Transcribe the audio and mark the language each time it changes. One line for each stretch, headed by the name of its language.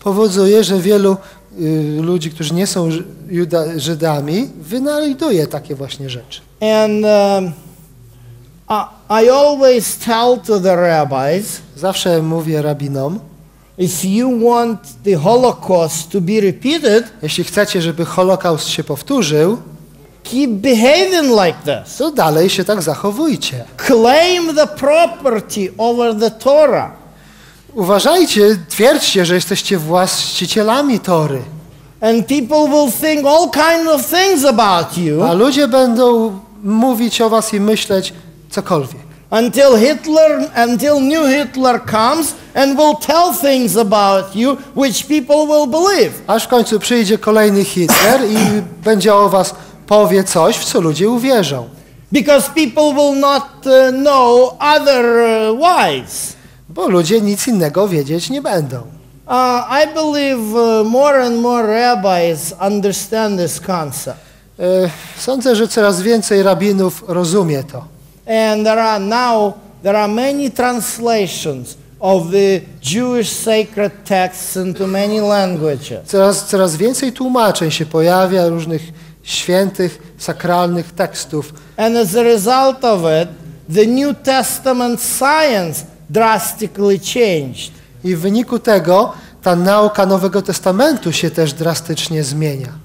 Polish: Powoduje, że wielu ludzi, którzy nie są Żydami, wynajduje takie właśnie rzeczy.
English: And I always tell to the rabbis,
Polish: zawsze mówię rabinom,
English: if you want the Holocaust to be repeated,
Polish: jeśli chcecie, żeby Holokaust się powtórzył,
English: keep behaving like this.
Polish: To dalej się tak zachowujcie.
English: Claim the property over the Torah.
Polish: Uważajcie, twierdźcie, że jesteście właścicielami Tory.
English: And people will think all kinds of things about you.
Polish: A ludzie będą mówić o was i myśleć cokolwiek.
English: Until new Hitler comes and will tell things about you which people will believe.
Polish: Aż w końcu przyjdzie kolejny Hitler i będzie o was powie coś, w co ludzie uwierzą.
English: Because people will not know otherwise.
Polish: Bo ludzie nic innego wiedzieć nie będą.
English: I believe more and more rabbis understand this concept.
Polish: Sądzę, że coraz więcej rabinów rozumie to.
English: And there are many translations of the Jewish sacred texts into many languages.
Polish: Coraz więcej tłumaczeń się pojawia, różnych świętych, sakralnych tekstów.
English: And as a result of it, the New Testament science drastically changed.
Polish: I w wyniku tego ta nauka Nowego Testamentu się też drastycznie zmienia.